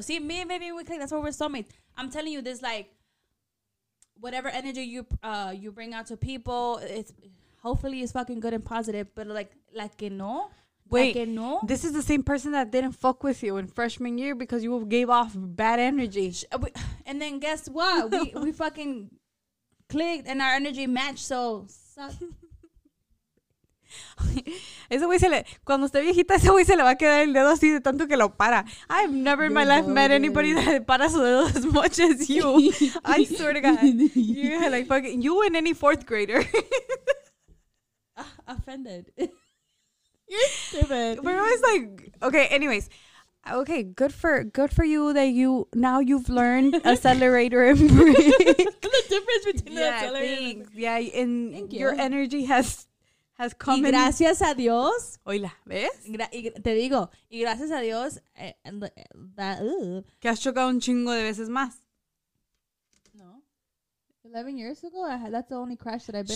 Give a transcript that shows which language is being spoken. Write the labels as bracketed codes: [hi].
[en] See, me and Vivi, we click. That's what we're soulmates. I'm telling you, this like, whatever energy you bring out to people, it's fucking good and positive. But like [es] que no. [en] Wait, like, no? This is the same person that didn't fuck with you in freshman year because you gave off bad energy. And then guess what? We fucking clicked and our energy matched, so suck. [es] Ese güey se le, cuando esté viejita, ese güey se le va a quedar el dedo así de tanto que lo para. [en] I've never in my life met anybody that [es] para su dedo [en] as much as you. I swear to God. Yeah, like fucking, you and any fourth grader. Offended. But I was like, okay, anyways, okay, good for you that you've learned accelerator and brake. The difference between the accelerator and brake. Yeah, and your energy has come. [es] Y gracias a Dios. Oila, ¿ves? Te digo, y gracias a Dios. Que has chocado un chingo de veces más. [en] 11 years ago, that's the only crash that I've been